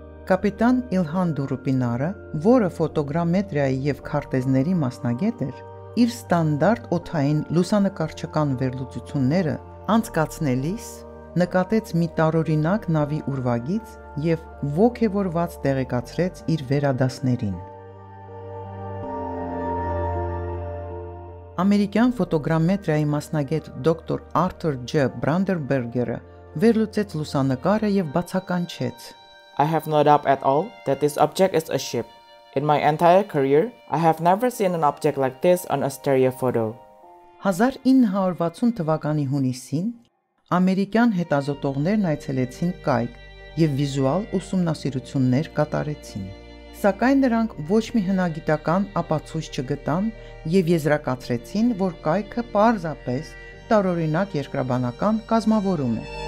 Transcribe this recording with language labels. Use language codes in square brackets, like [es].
[hy] Կապիտան Իլհան Դուրուպինարը, որը ֆոտոգրամետրիայի և քարտեզների մասնագետ էր, իր ստանդարտ օդային լուսանկարչական վերլուծությունները անցկացնելիս նկատեց մի տարօրինակ նավի ուրվագից և ոգևորված տեղեկացրեց իր վերադասներին։ Ամերիկյան ֆոտոգրամետրիայի մասնագետ դոկտոր Արթուր Ջ. Բրանդերբերգերը վերլուծեց լուսանկարը և բացականչեց. [en] I have no doubt at all that this object is a ship. In my entire career, I have never seen an object like this on a stereo photo. [hy] 1960 թվականի հունիսին ամերիկյան հետազոտողներն այցելեցին կայք և վիզուալ ուսումնասիրություններ կատարեցին։ Սակայն նրանք ոչ մի հնագիտական ապացույց չգտան և եզրակացրեցին, որ կայքը պարզապես տարօրինակ երկրաբանական կազմավորում է։